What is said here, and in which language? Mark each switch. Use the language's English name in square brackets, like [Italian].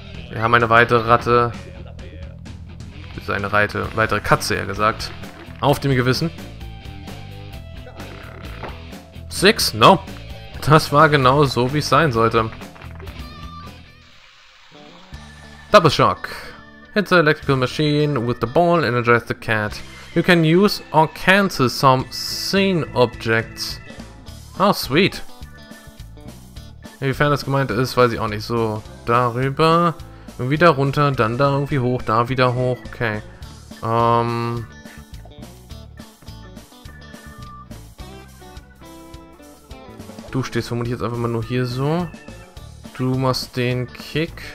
[German] Wir haben eine weitere Ratte. Eine weitere Katze, eher gesagt. Auf dem Gewissen. [English] Six? No. [German] Das war genau so, wie es sein sollte. [English] Double Shock. Hit the electrical machine with the ball and energize the cat. You can use or cancel some scene objects. Oh, sweet. [German] Inwiefern das gemeint ist, weiß ich auch nicht so. Darüber. Irgendwie da runter, dann da irgendwie hoch, da wieder hoch. Okay. Du stehst vermutlich jetzt einfach mal nur hier so. Du machst den Kick.